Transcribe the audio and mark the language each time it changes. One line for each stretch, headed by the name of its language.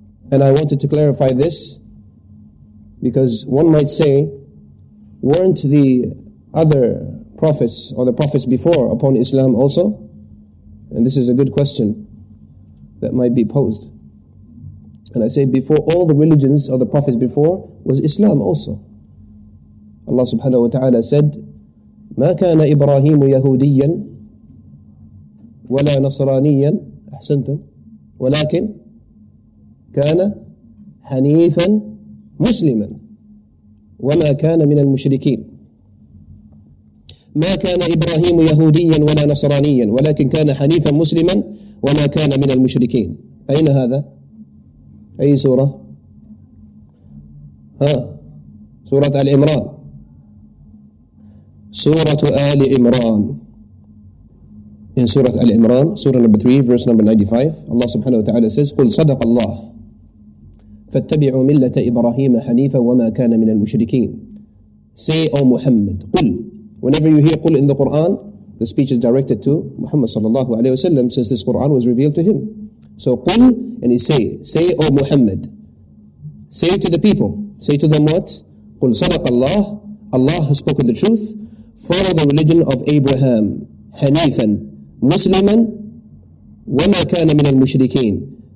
English: And I wanted to clarify this, because one might say, weren't the other prophets or the prophets before upon Islam also? And this is a good question that might be posed. And I say, before all the religions of the prophets before was Islam also. Allah subhanahu wa ta'ala said,
Arabic: مَا كَانَ إِبْرَاهِيمُ يَهُودِيًّا وَلَا نَصْرَانِيًّا أحسنتم وَلَكِنْ كَانَ حَنِيفًا مُسْلِمًا وَمَا كَانَ مِنَ الْمُشْرِكِينَ ما كان إبراهيم يهوديا ولا نصرانيا ولكن كان حنيفا مسلما وما كان من المشركين. أين هذا؟ أي سورة؟ ها سورة آل عمران. سورة آل عمران.
English: In
Arabic: سورة آل عمران, سورة
English: number 3, verse number 95,
Arabic: الله سبحانه وتعالى
English: says,
Arabic: قل صدق الله فاتبعوا ملة إبراهيم حنيفا وما كان من المشركين.
English: Say, O Muhammad, قل. Whenever you hear "Qul" in the Quran, the speech is directed to Muhammad sallallahu alayhi wa sallam, since this Quran was revealed to him. So "Qul," and he say, O Muhammad, say to the people, say to them what?
Arabic: "Qul sadaq Allah,"
English: Allah has spoken the truth. Follow the religion of Abraham,
Arabic: hanifan, musliman, wama kana min al-mushrikeen.